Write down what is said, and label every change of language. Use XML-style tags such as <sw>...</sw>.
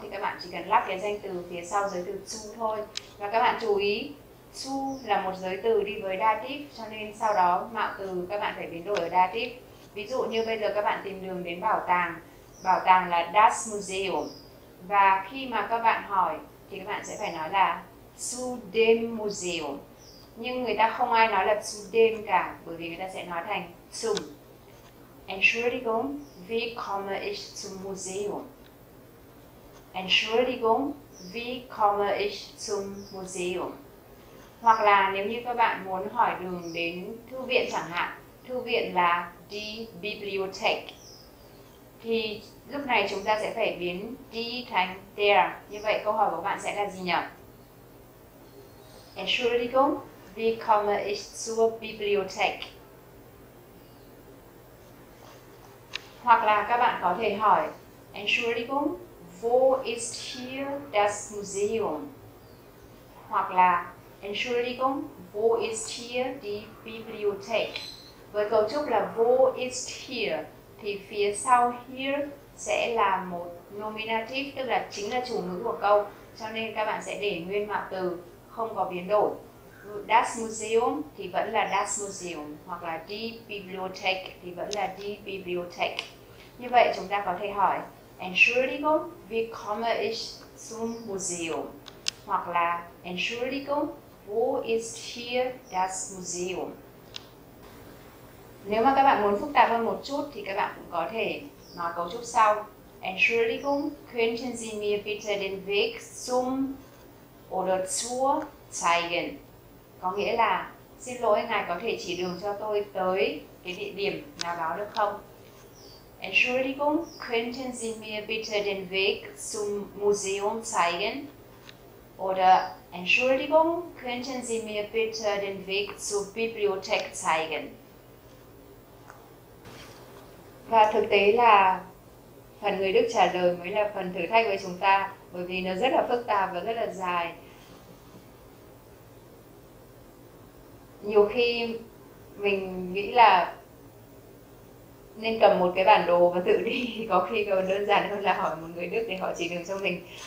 <vi>Thì các bạn chỉ cần lắp cái danh từ phía sau giới từ zu thôi. Và các bạn chú ý, zu là một giới từ đi với dative, cho nên sau đó mạo từ các bạn phải biến đổi ở dative. Ví dụ như bây giờ các bạn tìm đường đến bảo tàng. Bảo tàng là das Museum. Và khi mà các bạn hỏi thì các bạn sẽ phải nói là zu dem Museum. Nhưng người ta không ai nói là zu dem cả, bởi vì người ta sẽ nói thành zum.</vi> <de>Entschuldigung, wie komme ich zum Museum? Entschuldigung, wie komme ich zum Museum?</de> <vi>Hoặc là nếu như các bạn muốn hỏi đường đến thư viện chẳng hạn, thư viện là die Bibliothek. Thì lúc này chúng ta sẽ phải biến đi thành der. Như vậy câu hỏi của bạn sẽ là gì nhỉ?</vi> <de>Entschuldigung, wie komme ich zur Bibliothek?</de> <vi>Hoặc là các bạn có thể hỏi</vi> <de>Entschuldigung, wo ist hier das Museum?</de> <vi>Hoặc là</vi> <de>Entschuldigung, wo ist hier die Bibliothek?</de> <vi>Với cấu trúc là wo ist hier thì phía sau here sẽ là một nominative, tức là chính là chủ ngữ của câu, cho nên các bạn sẽ để nguyên mạo từ, không có biến đổi. Das Museum thì vẫn là Das Museum, hoặc là die Bibliothek thì vẫn là die Bibliothek. Như vậy chúng ta có thể hỏi</vi> <de>Entschuldigung, wie komme ich zum Museum?</de> <vi>Hoặc là Entschuldigung, wo ist hier das Museum? Nếu mà các bạn muốn phức tạp hơn một chút thì các bạn cũng có thể nói cấu trúc sau.</vi> <de>Entschuldigung, könnten Sie mir bitte den Weg zum oder zur zeigen?</de> <vi>Có nghĩa là xin lỗi, ngài có thể chỉ đường cho tôi tới cái địa điểm nào đó được không?</vi> <de>Entschuldigung, könnten Sie mir bitte den Weg zum Museum zeigen? Oder Entschuldigung, könnten Sie mir bitte den Weg zur Bibliothek zeigen?</de> <vi>Và thực tế là phần người Đức trả lời mới là phần thử thách với chúng ta, bởi vì nó rất là phức tạp và rất là dài. Nhiều khi mình nghĩ là nên cầm một cái bản đồ và tự đi, có khi còn đơn giản hơn là hỏi một người Đức để họ chỉ đường cho mình.</vi>